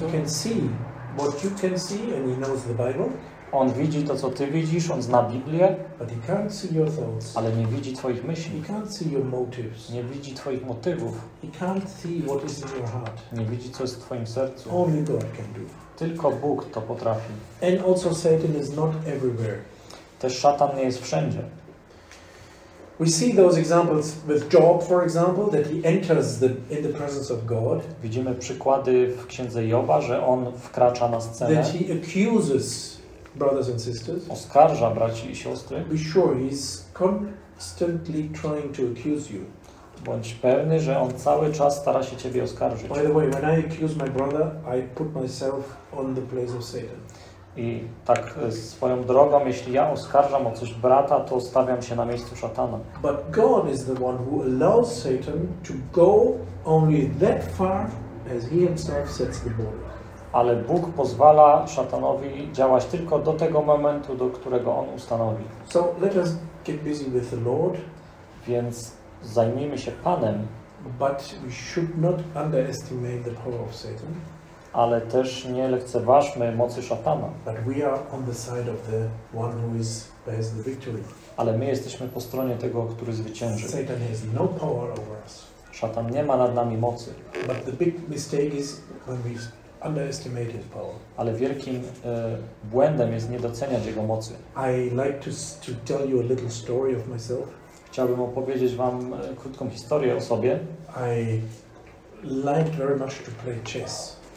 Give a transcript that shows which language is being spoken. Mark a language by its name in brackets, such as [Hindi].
[English] He can see what you can see and he knows the Bible. [Polish] On widzi to, co ty widzisz, on zna Biblię, [English] but he can't see your thoughts. [Polish] Ale nie widzi twoich myśli. [English] He can't see your motives. [Polish] Nie widzi twoich motywów. [English] He can't see what is in your heart. [Polish] Nie widzi, co jest w twoim sercu. [English] Only God can do. [Polish] Tylko Bóg to potrafi. [English] And also Satan is not everywhere. [Polish] Też szatan nie jest wszędzie. [English] We see those examples with Job, for example, that he enters the in the presence of God. [Polish] Widzimy przykłady w księdze Joba, że on wkracza na scenę. [English] That he accuses brothers and sisters. [Polish] Oskarża braci i siostry. [English] Be sure he's constantly trying to accuse you. [Polish] Bądź pewny, że on cały czas stara się ciebie oskarżyć. [English] By the way, when I accuse my brother, I put myself on the place of Satan. [Polish] I tak swoją drogą, jeśli ja oskarżam o coś brata, to stawiam się na miejscu szatana. [English] But God is the one who allows Satan to go only that far as he himself sets the border. [Polish] Ale Bóg pozwala szatanowi działać tylko do tego momentu, do którego on ustanowi. [English] So let us get busy with the Lord. [Polish] Więc zajmijmy się Panem. [English] But we should not underestimate the power of Satan. [Polish] Ale też nie lekceważmy mocy szatana. [English] But we are on the side of the one who is has the victory. [Polish] Ale my jesteśmy po stronie tego, który zwycięży. [English] Satan has no power over us. [Polish] Szatan nie ma nad nami mocy. [English] But the big mistake is when we underestimate his power. [Polish] Ale wielkim błędem jest niedoceniać jego mocy. [English] I like to tell you a little story of myself. [Polish] Chciałbym opowiedzieć wam krótką historię o sobie. [English] I liked very much to play chess.